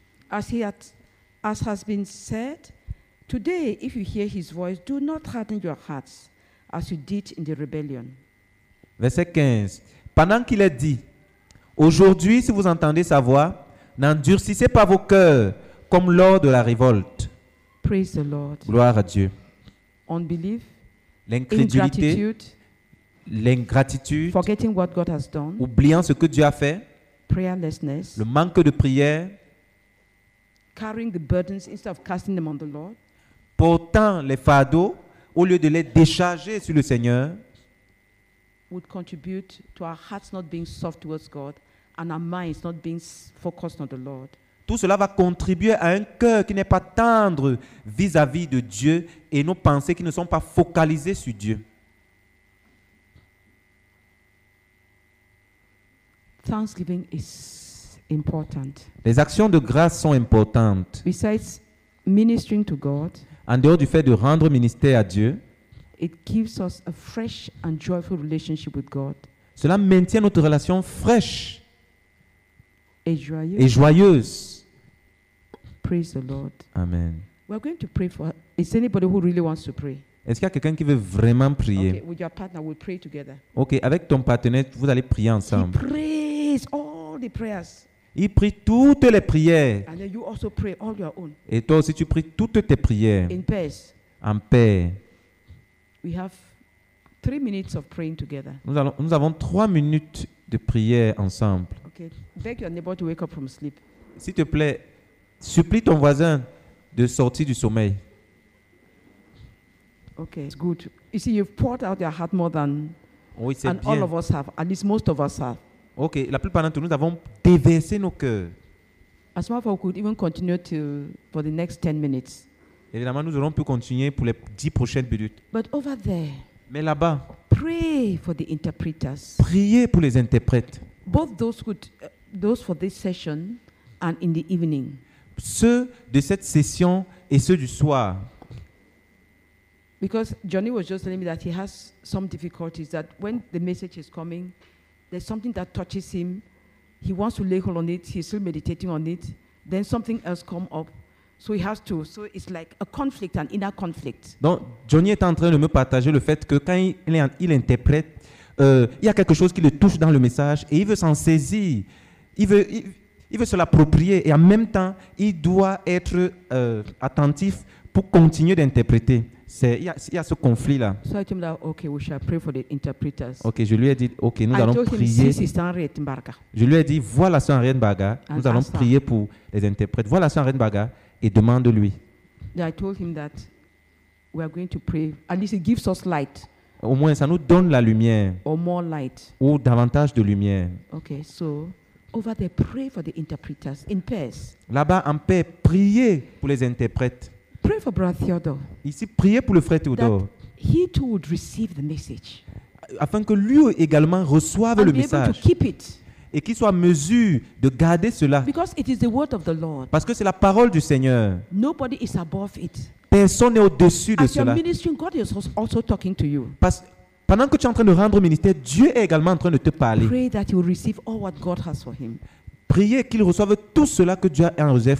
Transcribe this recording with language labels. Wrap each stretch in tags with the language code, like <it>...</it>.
<en>As has been said, today if you hear his voice, do not harden your hearts as you did in the rebellion.</en> <fr>Verset 15. Pendant qu'il est dit, aujourd'hui si vous entendez sa voix, n'endurcissez pas vos cœurs comme lors de la révolte.</fr> <en>Praise the Lord.</en> <fr>Gloire à Dieu.</fr> <en>Unbelief.</en> <fr>L'incrédulité.</fr> <en>Ingratitude.</en> <fr>L'ingratitude,</fr> <en>forgetting what God has done,</en> <fr>oubliant ce que Dieu a fait,</fr> <en>prayerlessness,</en> <fr>le manque de prière,</fr> <en>carrying the burdens instead of casting them on the Lord,</en> <fr>portant les fardeaux au lieu de les décharger sur le Seigneur,</fr> <en>would contribute to our hearts not being soft towards God and our minds not being focused on the Lord.</en> <fr>Tout cela va contribuer à un cœur qui n'est pas tendre vis-à-vis de Dieu et nos pensées qui ne sont pas focalisées sur Dieu.</fr> <en>Thanksgiving is important.</en> <fr>Les actions de grâce sont importantes.</fr> <en>Besides ministering to God,</en> <fr>en dehors du fait de rendre ministère à Dieu,</fr> <en>it gives us a fresh and joyful relationship with God.</en> <fr>Cela maintient notre relation fraîche et joyeuse. Et joyeuse.</fr> <en>Praise the Lord. Amen. We're going to pray for. Is anybody who really wants to pray?</en> <fr>Est-ce qu'il y a quelqu'un qui veut vraiment prier?</fr> <en>Okay, with your partner, we'll pray together.</en> <fr>Okay, avec ton partenaire, vous allez prier ensemble.</fr> <en>He prays all the prayers.</en> <fr>Il prie toutes les prières.</fr> <en>And then you also pray all your own.</en> <fr>Et toi aussi, tu pries toutes tes prières.</fr> <en>In peace.</en> <fr>En paix.</fr> <en>We have 3 minutes of praying together.</en> <fr>Nous avons 3 minutes de prière ensemble.</fr> <en>Okay. Beg your neighbor to wake up from sleep.</en> <fr>S'il te plaît, supplie ton voisin de sortir du sommeil.</fr> <en>Okay, it's good. You see, you've poured out your heart more than</en> <fr>oui,</fr> <en>and</en> <fr>bien.</fr> <en>All of us have, at least most of us have.</en> <fr>Okay, la plupart d'entre nous avons déversé nos cœurs.</fr> <en>As well, we could even continue to for the next 10 minutes.</en> <fr>Évidemment, nous aurons pu continuer pour les 10 prochaines minutes.</fr> <en>But over there.</en> <fr>Mais là-bas.</fr> <en>Pray for the interpreters.</en> <fr>Priez pour les interprètes.</fr> <en>Both those for this session and in the evening.</en> <fr>Ceux de cette session et ceux du soir.</fr> <en>Because Johnny was just telling me that he has some difficulties that when the message is coming, there's something that touches him. He wants to lay hold on it. He's still meditating on it. Then something else comes up. So he has to. So it's like a conflict, an inner conflict.</en> <fr>Donc, Johnny est en train de me partager le fait que quand il interprète, il y a quelque chose qui le touche dans le message et il veut s'en saisir. Il veut se l'approprier et en même temps, il doit être attentif pour continuer d'interpréter. Il y a ce conflit-là.</fr> <en>So I told him, okay, we shall pray for the interpreters.</en> <fr>Ok, je lui ai dit, ok, nous allons prier. Je lui ai dit, voilà ce Henriette Mbarga, nous allons prier pour les interprètes. Voilà ce Henriette Mbarga et demande-lui.</fr> <en>I told him that we are going to pray. At least it gives us light.</en> <fr>Au moins, ça nous donne la lumière.</fr> <en>Or more light.</en> <fr>Ou davantage de lumière.</fr> <en>Ok, so, over there, pray for the interpreters in pairs.</en> <fr>Là-bas, en paix, priez pour les interprètes.</fr> <en>Pray for Brother Theodore.</en> <fr>Ici, priez pour le frère Théodore.</fr> <en>He too would receive the message.</en> <fr>Afin que lui également reçoive</fr> <en>and</en> <fr>le message.</fr> <en>To keep it.</en> <fr>Et qu'il soit en mesure de garder cela.</fr> <en>Because it is the word of the Lord.</en> <fr>Parce que c'est la parole du Seigneur.</fr> <en>Nobody is above it.</en> <fr>Personne n'est au-dessus de</fr> <en>as</en> <fr>cela.</fr> <en>You're ministering, God is also talking to you.</en> <fr>Parce que pendant que tu es en train de rendre ministère, Dieu est également en train de te parler.</fr> <en>Pray that he will receive all what God has for him.</en> <fr>Priez qu'il reçoive tout cela que Dieu a en réserve</fr>